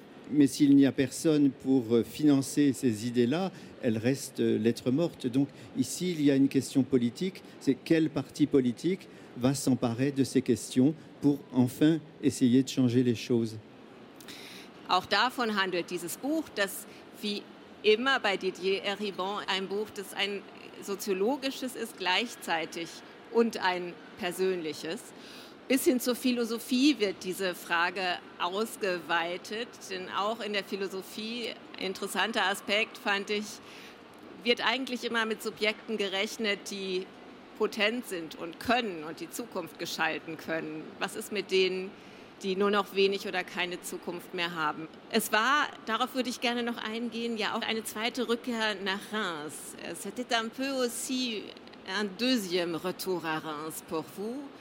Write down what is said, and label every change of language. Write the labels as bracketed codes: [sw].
[fr] Mais s'il n'y a personne pour financer ces idées-là, elles restent lettre morte. Donc ici, il y a une question politique, c'est quel parti politique va s'emparer de ces questions pour enfin essayer de changer les choses. [de] Auch davon handelt dieses Buch, das wie immer bei Didier Eriban ein Buch, das ein soziologisches ist gleichzeitig und ein persönliches. Bis hin zur Philosophie wird diese Frage ausgeweitet, denn auch in der Philosophie, interessanter Aspekt fand ich, wird eigentlich immer mit Subjekten gerechnet, die potent sind und können und die Zukunft gestalten können. Was ist mit denen, die nur noch wenig oder keine Zukunft mehr haben? Es war, darauf würde ich gerne noch eingehen, ja auch eine zweite Rückkehr nach Reims. [fr] C'était un peu aussi un deuxième retour à Reims pour vous.